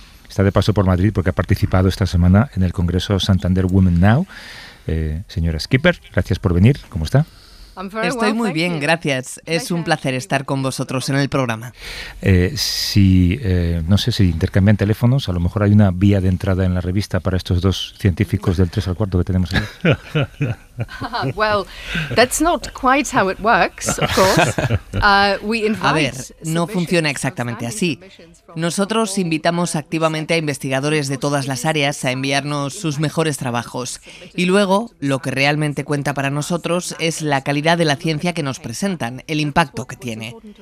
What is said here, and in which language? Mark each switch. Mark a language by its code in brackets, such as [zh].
[es] Está de paso por Madrid porque ha participado esta semana en el Congreso Santander Women Now. Señora Skipper, gracias por venir. ¿Cómo está? Estoy muy bien, gracias. Es un placer estar con vosotros en el programa. No sé si intercambian teléfonos, a lo mejor hay una vía de entrada en la revista para estos dos científicos del 3 al 4 que tenemos ahí. [en] Well, that's not quite how it works, of course. [es] A ver, no funciona exactamente así. Nosotros invitamos activamente a investigadores de todas las áreas a enviarnos sus mejores trabajos. Y luego, lo que realmente cuenta para nosotros es la calidad de la ciencia que nos presentan, el impacto que tiene.